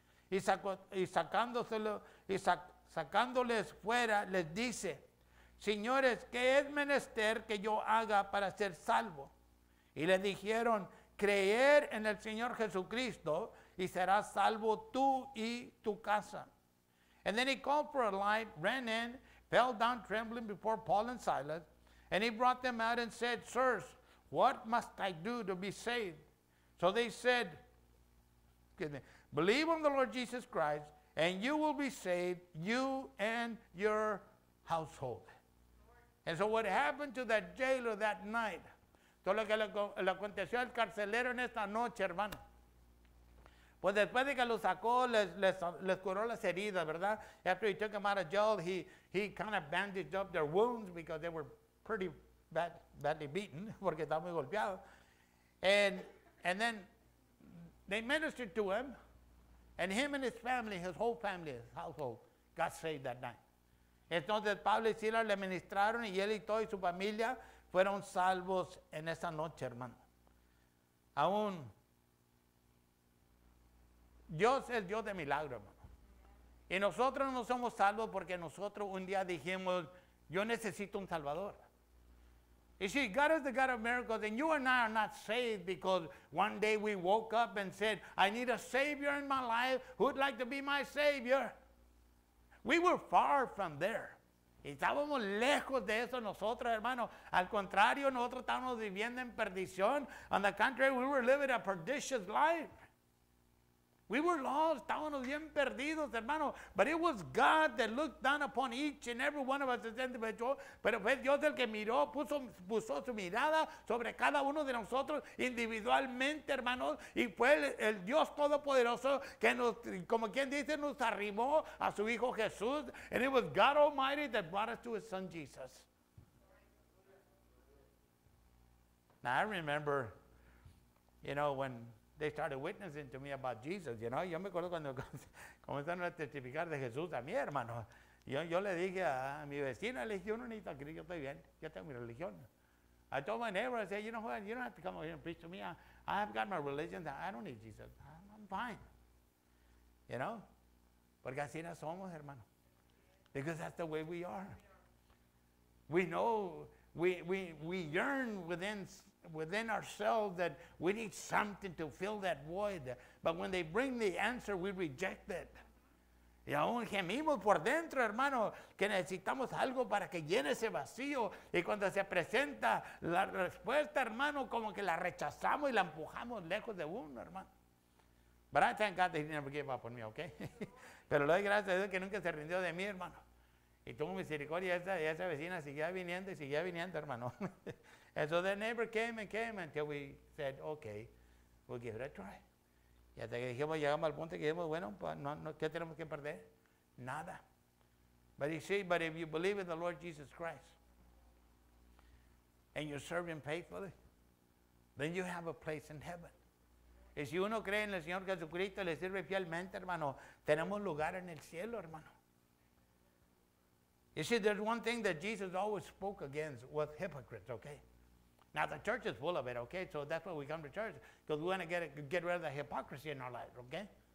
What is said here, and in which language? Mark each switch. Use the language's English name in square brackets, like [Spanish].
[Spanish] Y sacándoles fuera les dice, señores, ¿qué es menester que yo haga para ser salvo? Y le dijeron, creer en el Señor Jesucristo y serás salvo tú y tu casa. [English] And then he called for a light, ran in, fell down trembling before Paul and Silas, and he brought them out and said, sirs, what must I do to be saved? So they said, believe on the Lord Jesus Christ, and you will be saved, you and your household. And so what happened to that jailer that night? [Spanish] Todo lo que le aconteció al carcelero en esta noche, hermano. Pues después de que lo sacó, les curó las heridas, ¿verdad? [English] After he took them out of jail, he kind of bandaged up their wounds because they were pretty badly beaten, [Spanish] porque estaban muy golpeados. [English] And then they ministered to him, and him and his family, his whole family, his household, got saved that night. [Spanish] Entonces Pablo y Silas le ministraron y él y toda su familia fueron salvos en esa noche, hermano. Aún Dios es Dios de milagro, hermano. Y nosotros no somos salvos porque nosotros un día dijimos, yo necesito un salvador. [English] You see, God is the God of miracles, and you and I are not saved because one day we woke up and said, I need a savior in my life. Who'd like to be my savior? We were far from there. [Spanish] Estábamos lejos de eso nosotros, hermano. Al contrario, nosotros estábamos viviendo en perdición. [English] On the contrary, we were living a perdicious life. We were lost, [Spanish] estábamos bien perdidos, hermano. [English] But it was God that looked down upon each and every one of us as individual. [Spanish] Pero fue Dios el que miró, puso su mirada sobre cada uno de nosotros individualmente, hermano. Y fue el Dios Todopoderoso que nos, como quien dice, nos arrimó a su Hijo Jesús. [English] And it was God Almighty that brought us to His Son Jesus. Now I remember, you know, when they started witnessing to me about Jesus, you know. [Spanish] Yo me acuerdo cuando comenzaron a testificar de Jesús a mí, hermano. Yo le dije a mi vecina, le dije, yo no necesito a Cristo, yo estoy bien, yo tengo mi religión. [English] I told my neighbor, I said, you know what, you don't have to come over here and preach to me. I have got my religion, I don't need Jesus, I'm fine. You know, [Spanish] porque así no somos, hermano. [English] Because that's the way we are. We know, we yearn within ourselves that we need something to fill that void. But when they bring the answer, we reject it. [Spanish] Y aún gemimos por dentro, hermano, que necesitamos algo para que llene ese vacío. Y cuando se presenta la respuesta, hermano, como que la rechazamos y la empujamos lejos de uno, hermano. [English] But I thank God that he never gave up on me, okay? [Spanish] Pero le doy gracias a Dios que nunca se rindió de mí, hermano. Y tuvo misericordia y esa vecina seguía viniendo y seguía viniendo, hermano. [English] And so the neighbor came until we said, okay, we'll give it a try. [Spanish] Y hasta que dijimos, llegamos al punto que dijimos, bueno, ¿qué tenemos que perder? Nada. [English] But you see, but if you believe in the Lord Jesus Christ and you serve Him faithfully, then you have a place in heaven. [Spanish] Y si uno cree en el Señor Jesucristo y le sirve fielmente, hermano, tenemos lugar en el cielo, hermano. [English] You see, there's one thing that Jesus always spoke against was hypocrites, okay? Now, the church is full of it, okay? So that's why we come to church, because we want to get rid of the hypocrisy in our life, okay?